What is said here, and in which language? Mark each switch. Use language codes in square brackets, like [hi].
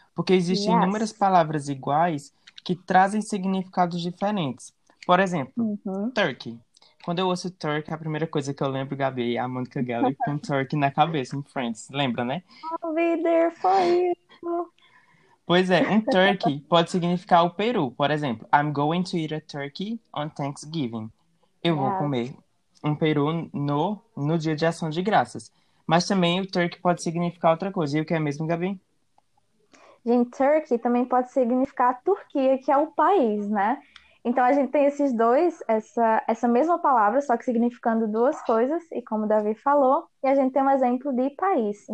[pt] Porque existem inúmeras palavras iguais que trazem significados diferentes. Por exemplo, turkey. Quando eu ouço Turk, a primeira coisa que eu lembro, Gabi, é a Monica Geller com Turk na cabeça, em Friends. Lembra, né? [en] I'll be there for you. [pt] Pois é, um turkey pode significar o Peru. Por exemplo, [en] I'm going to eat a turkey on Thanksgiving. [pt] Eu vou comer um peru no dia de Ação de Graças. Mas também o turkey pode significar outra coisa. E o que é mesmo, Gabi? Gente, Turkey também pode significar Turquia, que é o país, né? Então a gente tem esses dois, essa mesma palavra, só que significando duas coisas, e como o Davi falou, e a gente tem um exemplo de país.